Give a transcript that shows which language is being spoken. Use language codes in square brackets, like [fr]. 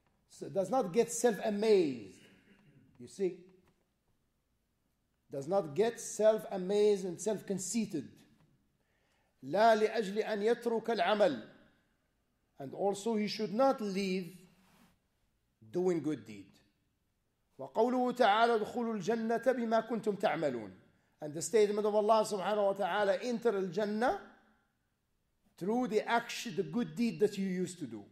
[en] So does not get self-amazed. You see? Does not get self-amazed and self-conceited. [ar] لا لأجل أن يترك العمل. [en] And also he should not leave doing good deed. [ar] وقوله تعالى ادخلوا الجنة بما كنتم تعملون. [en] And the statement of Allah subhanahu wa ta'ala, enter al-Jannah through the action, the good deed that you used to do.